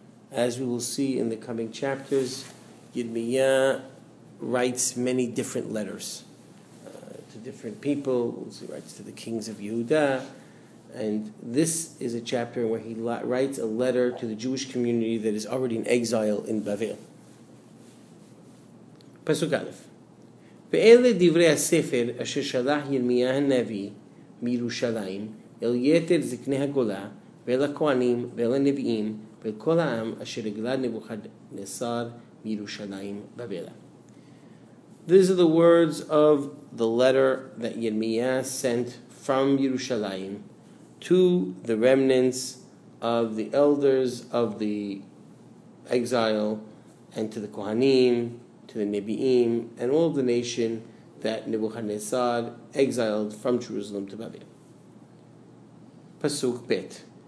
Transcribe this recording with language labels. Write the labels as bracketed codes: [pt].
[en] As we will see in the coming chapters, Yirmiyah writes many different letters to different people. He writes to the kings of Yehuda. And this is a chapter where he writes a letter to the Jewish community that is already in exile in Babel. Pasuk Aleph. [he] Ve'ele divrei ha-sefer asher shalach Yirmiyah ha-nevi מירושלים, אל יתר זקני הגולה, ואל הכהנים, ואל הנביאים, ואל כל העם, אשר הגלה נבוכדנצר מירושלים בבלה. [en] These are the words of the letter that Yirmiyah sent from Yerushalayim to the remnants of the elders of the exile, and to the Kohanim, to the Nebiim, and all the nation that Nebuchadnezzar exiled from Jerusalem to Babel. Pasuk Bet.